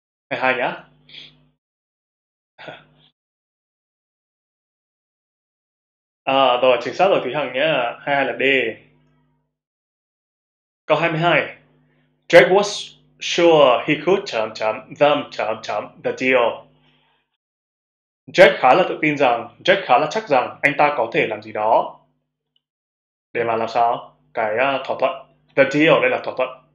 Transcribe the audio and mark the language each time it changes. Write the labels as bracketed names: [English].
[Vietnamese] Hay nhá. À, rồi chính xác rồi Thúy Hằng nhé. 22 là D. Câu 22. [English] Jack was sure he could [Vietnamese] chấm chấm [English] them chấm chấm the deal. [Vietnamese] Jack khá là tự tin rằng, Jack khá là chắc rằng anh ta có thể làm gì đó để mà làm sao cái thỏa thuận. [English] The deal [Vietnamese] đây là thỏa thuận.